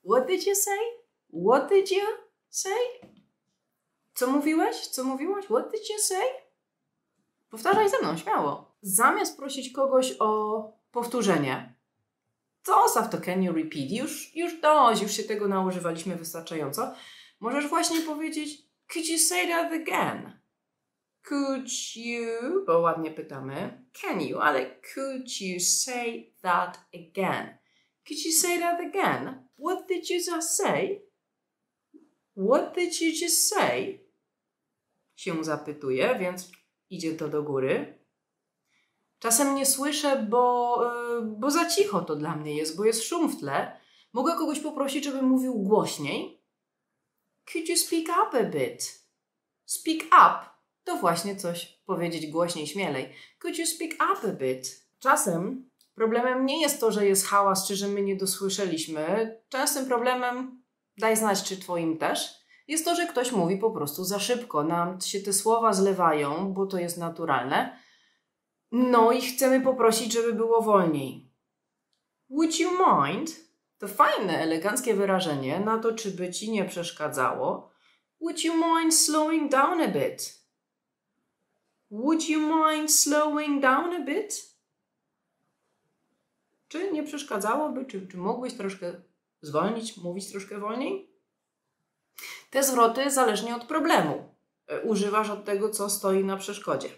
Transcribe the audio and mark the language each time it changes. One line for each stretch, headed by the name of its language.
English: What did you say? What did you say?
Polish: Co mówiłeś? Co mówiłaś?
English: What did you say?
Polish: Powtarzaj ze mną, śmiało. Zamiast prosić kogoś o powtórzenie, to zostaw to
English: can you repeat?
Polish: Już dość, już się tego nałożywaliśmy wystarczająco. Możesz właśnie powiedzieć
English: could you say that again? Could you,
Polish: bo ładnie pytamy,
English: can you, ale could you say that again? Could you say that again? What did you just say? What did you just say?
Polish: Się zapytuje, więc idzie to do góry. Czasem nie słyszę, bo za cicho to dla mnie jest, bo jest szum w tle. Mogę kogoś poprosić, żeby mówił głośniej.
English: Could you speak up a bit?
Polish: Speak up to właśnie coś powiedzieć głośniej, śmielej.
English: Could you speak up a bit?
Polish: Czasem problemem nie jest to, że jest hałas, czy że my nie dosłyszeliśmy. Częstym problemem, daj znać, czy twoim też, jest to, że ktoś mówi po prostu za szybko. Nam się te słowa zlewają, bo to jest naturalne. No i chcemy poprosić, żeby było wolniej.
English: Would you mind?
Polish: To fajne, eleganckie wyrażenie na to, czy by ci nie przeszkadzało.
English: Would you mind slowing down a bit? Would you mind slowing down a bit?
Polish: Czy nie przeszkadzałoby, czy mogłeś troszkę zwolnić, mówić troszkę wolniej? Te zwroty zależnie od problemu. Używasz od tego, co stoi na przeszkodzie.